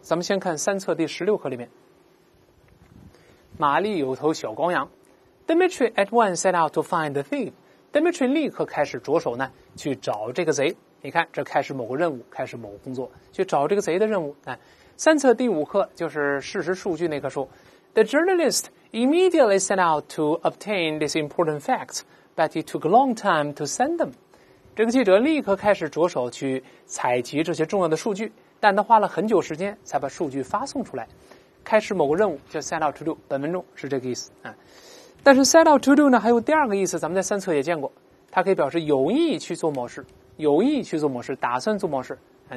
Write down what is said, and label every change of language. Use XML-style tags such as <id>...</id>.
<zh>咱们先看三册第十六课里面，玛丽有头小羔羊。</zh> <en>Dmitri at once set out to find the thief。</en> <zh>Dmitri 立刻开始着手呢去找这个贼。你看，这开始某个任务，开始某个工作，去找这个贼的任务。三册第五课就是事实数据那棵树。</zh> <en>The journalist immediately set out to obtain these important facts, but it took a long time to send them.</en> <zh>这个记者立刻开始着手去采集这些重要的数据，但他花了很久时间才把数据发送出来。开始某个任务叫 set out to do， 本文中是这个意思啊。但是 set out to do 呢，还有第二个意思，咱们在三册也见过，它可以表示有意去做某事，有意去做某事，打算做某事啊。</zh>